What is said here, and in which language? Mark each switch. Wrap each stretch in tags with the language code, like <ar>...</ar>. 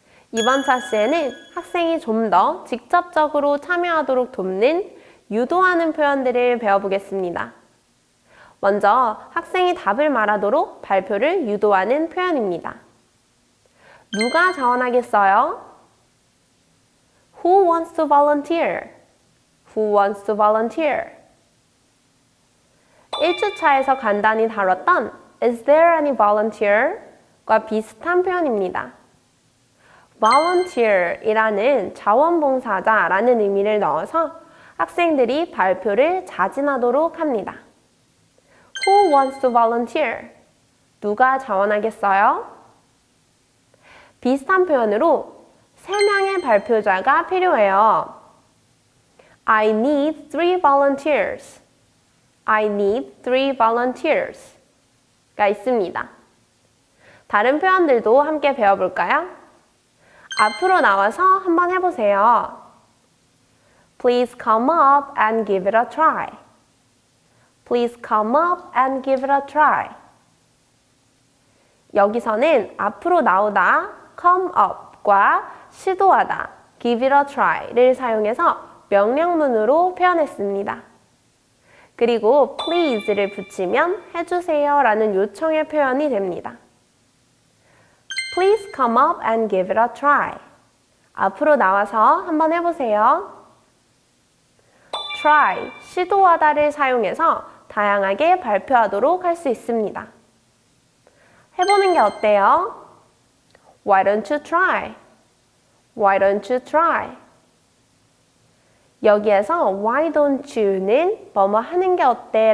<ko>이번 차시에는 학생이 좀 더 직접적으로 참여하도록 돕는 유도하는 표현들을 배워보겠습니다. 먼저 학생이 답을 말하도록 발표를 유도하는 표현입니다. 누가 자원하겠어요?</ko> <en>Who wants to volunteer? Who wants to volunteer?</en> <ko>1주차에서 간단히 다뤘던</ko> <en>Is there any volunteer?</en> <ko>과 비슷한 표현입니다. Volunteer이라는 자원봉사자라는 의미를 넣어서 학생들이 발표를 자진하도록 합니다.</ko> <en>Who wants to volunteer?</en> <ko>누가 자원하겠어요? 비슷한 표현으로 3명의 발표자가 필요해요.</ko> <en>I need 3 volunteers. I need 3 volunteers.</en> <ko>가 있습니다. 다른 표현들도 함께 배워볼까요? 앞으로 나와서 한번 해보세요.</ko> <en>Please come up and give it a try. Please come up and give it a try.</en> <ko>여기서는 앞으로 나오다, come up과 시도하다, give it a try를 사용해서 명령문으로 표현했습니다. 그리고 please를 붙이면 해주세요 라는 요청의 표현이 됩니다.</ko> <en>Please come up and give it a try.</en> <ko>앞으로 나와서 한번 해보세요. Try, 시도하다를 사용해서 다양하게 발표하도록 할 수 있습니다. 해보는 게 어때요?</ko> <en>Why don't you try? Why don't you try?</en> <ko>여기에서</ko> <en>why don't you는</en> <ko>뭐뭐 하는 게 어때?</ko>